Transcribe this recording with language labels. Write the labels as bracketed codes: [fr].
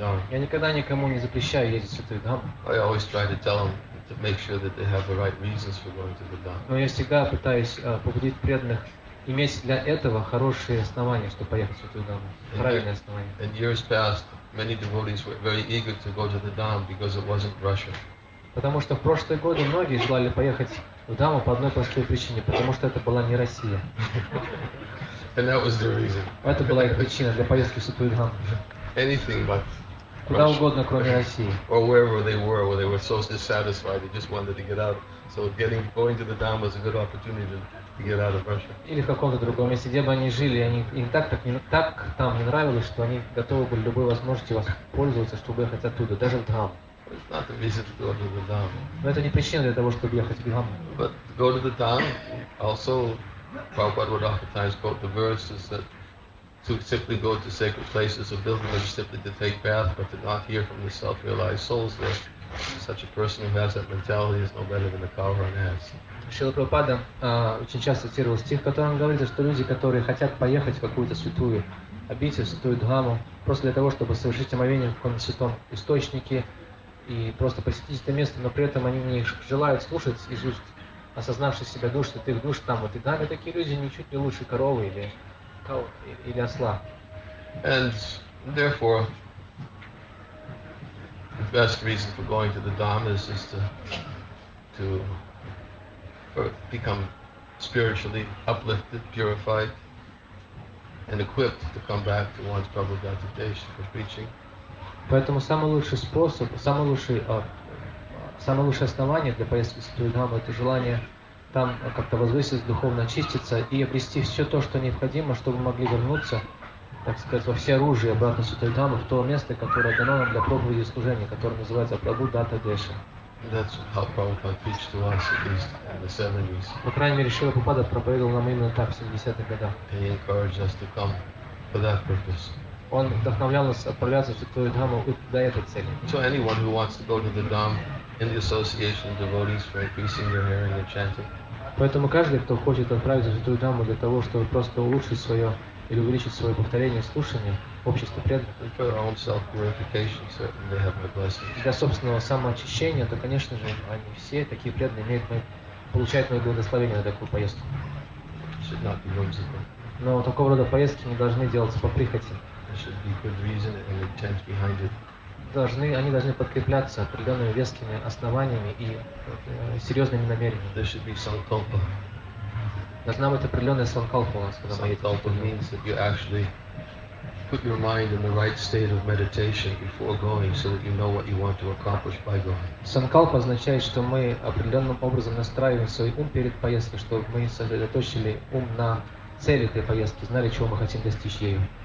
[ru] Я никогда никому не запрещаю ездить в Святую Даму. [en] I always try to tell them to make sure that they have the right reasons for going to the Dhamma. [ru] Но я всегда пытаюсь побудить преданных иметь для этого хорошие основания, чтобы поехать в Святую Даму. Правильные основания. [en] In years past, many devotees were very eager to go to the Dhamma because it wasn't Russia. [ru] Потому что в прошлые годы многие желали поехать в Даму по одной простой причине, потому что это была не Россия. [en] And that was the reason. [ru] Это была их причина для поездки в Святую Даму. [en] Anything but [ru] куда угодно, кроме России. [en] Or wherever they were, where they were so dissatisfied, they just wanted to get out. So going to the Dhamma was a good opportunity to get out of Russia. [ru] Или в каком-то другом месте, где бы они жили, они им так там не нравилось, что они готовы были любой возможностью воспользоваться, чтобы ехать оттуда, даже в Даму. [en] It's not a reason to go to the Dhamma. [ru] Но это не причина для того, чтобы ехать в Дхаму. [en] But to go to the Dhamma, also, Prabhupada would oftentimes quote the verses that to simply go to sacred places of pilgrimage, simply to take bath, but to not hear from the self-realized souls there. Such a person who has that mentality is no better than a cow or an ass. [ru] Шрила Прабхупада очень часто цитировал стих, в котором говорится, что люди, которые хотят поехать в какую-то святую обитель, святую Дхаму, просто для того, чтобы совершить омовение в каком-то святом источнике, и просто посетить это место, но при этом они не желают слушать из уст, осознавши себя душ, что ты их душ там, вот и даме такие люди ничуть не лучше коровы или или осла. [en] And therefore the best reason for going to the Dhamma is to become spiritually uplifted, purified and equipped to come back to one's public occupation for preaching. [ru] Поэтому самый лучший способ, самое лучшее основание для поездки в Святую Даму — это желание там как-то возвыситься, духовно очиститься и обрести все то, что необходимо, чтобы могли вернуться, так сказать, во все оружие обратно в Святую Даму, в то место, которое дано нам для проповеди и служения, которое называется Прабху Дата Деша. По крайней мере, Шрила Прабхупада проповедовал нам именно так в 70-х годах. Он вдохновлял нас отправляться в Святую Даму для этой цели. [en] So anyone who wants to go to the Dhamma in the association of devotees for increasing their hearing and chanting. [ru] Поэтому каждый, кто хочет отправиться в Святую Даму для того, чтобы просто улучшить свое или увеличить свое повторение слушания в обществе преданных. [en] For their own self-purification, certainly they have my blessings. [ru] Для собственного самоочищения, то, конечно же, они все такие преданные получают мое благословение на такую поездку. [en] Should not be whimsical. [ru] Но такого рода поездки не должны делаться по прихоти. [en] Should be good reason and intent behind it. [ru] Они должны подкрепляться определенными вескими основаниями и серьезными намерениями. [en] There should be sankalpa. [ru] Должна быть определенная санкалпа у нас, когда мы едем. [en] Sankalpa means that you actually put your mind in the right state of meditation before going, so that you know what you want to accomplish by going. [ru] Санкалпа означает, что мы определенным образом настраиваем свой ум перед поездкой, чтобы мы сосредоточили ум на цели этой поездки, знали, чего мы хотим достичь ею.